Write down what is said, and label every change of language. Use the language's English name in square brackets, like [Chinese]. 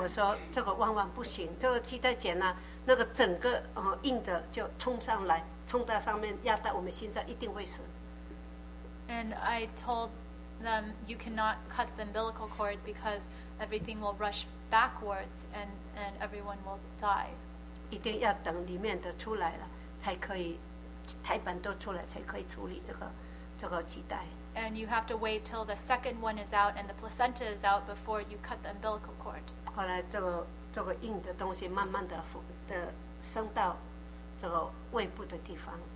[Chinese] 我说这个万万不行，这个系带剪了。那个整个硬的就冲上来，冲到上面压到我们心脏，一定会死。 [English] And I told them you cannot cut the umbilical cord because everything will rush backwards and everyone will die. [Chinese] 一定要等里面的出来了，才可以胎盘都出来，才可以处理这个脐带。 [English] And you have to wait till the second one is out and the placenta is out before you cut the umbilical cord. [Chinese] 后来这个硬的东西慢慢的升到这个胃部的地方。